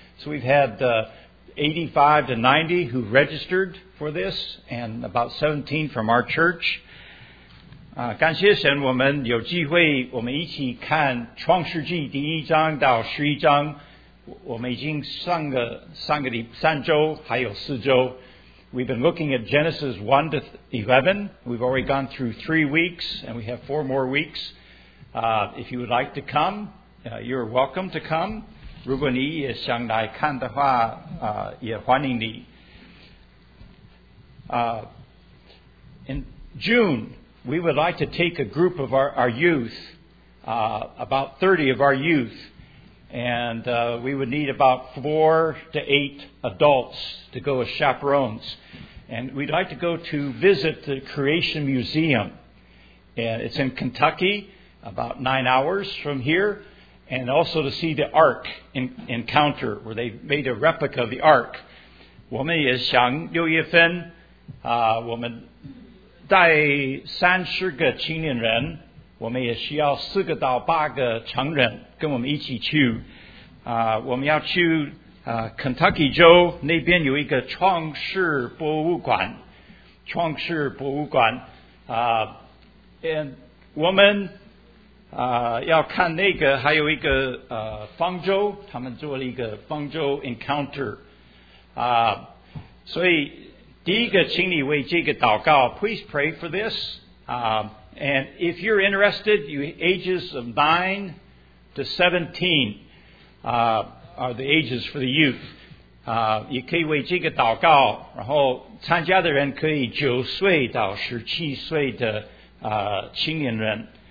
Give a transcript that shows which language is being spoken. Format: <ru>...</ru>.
<en>So we've had 85 to 90 who registered for this, and about 17 from our church.</en> <zh>感谢神，我们有机会我们一起看创世纪第一章到十一章。我们已经上个三周还有四周。</zh> <en>We've been looking at Genesis 1 to 11. We've already gone through 3 weeks, and we have 4 more weeks. If you would like to come, you're welcome to come.</en> <zh>如果你也想来看的话，也欢迎你。</zh> <en>In June, we would like to take a group of our youth, about 30 of our youth,And we would need about 4 to 8 adults to go as chaperones. And we'd like to go to visit the Creation Museum. And it's in Kentucky, about 9 hours from here. And also to see the Ark encounter, where they made a replica of the Ark.</en> <zh>我们也想六月份，我们带30个青年人，我们也需要4到8个成人跟我们一起去。我们要去Kentucky 州那边有一个创世博物馆，创世博物馆。And 我们要看那个，还有一个方舟，他们做了一个方舟 encounter 啊，所以第一个，请你为这个祷告 ，</zh> <en>please pray for this</en> <zh>啊。</zh> <en>And if you're interested, you ages of 9 to 17 are the ages for the youth.</en> <zh>你可以为这个祷告，然后参加的人可以9岁到17岁的青年人。</zh>